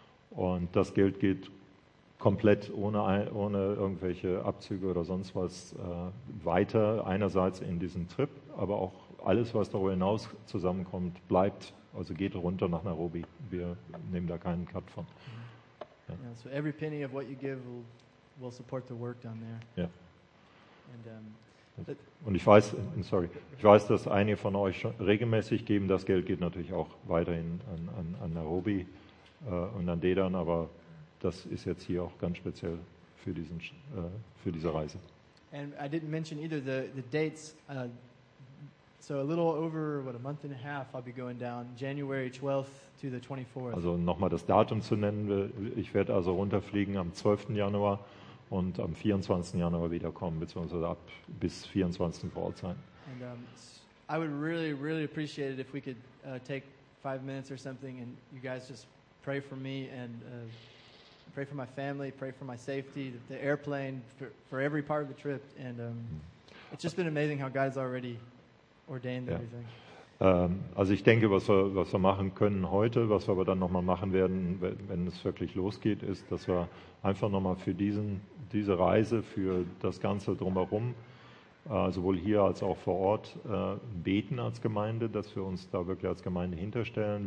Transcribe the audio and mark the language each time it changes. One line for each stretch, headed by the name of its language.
German: Und das Geld geht komplett ohne irgendwelche Abzüge oder sonst was weiter, einerseits in diesen Trip, aber auch alles, was darüber hinaus zusammenkommt, bleibt, also geht runter nach Nairobi. Wir nehmen da keinen Cut von. Ja.
English: Yeah, so every penny of what you give will support the work down there.
German: Ja. Und ich weiß, dass einige von euch schon regelmäßig geben, das Geld geht natürlich auch weiterhin an Nairobi und an Dedan, aber das ist jetzt hier auch ganz speziell für diese Reise.
English: And I didn't mention either the dates. So a little over a month and a half I'll be going down January 12th to the 24th.
German: Also nochmal das Datum zu nennen, ich werde also runterfliegen am 12. Januar und am 24. Januar wiederkommen, beziehungsweise ab bis 24. vor Ort sein.
English: And I would really really appreciate it if we could take 5 minutes or something and you guys just pray for me and pray for my family, pray for my safety, the airplane, for every part of the trip. And it's just been amazing how God has already ordained everything.
German: Also ich denke, was wir machen können heute, was wir aber dann nochmal machen werden, wenn es wirklich losgeht, ist, dass wir einfach nochmal für diese Reise, für das Ganze drumherum, sowohl hier als auch vor Ort, beten als Gemeinde, dass wir uns da wirklich als Gemeinde hinterstellen.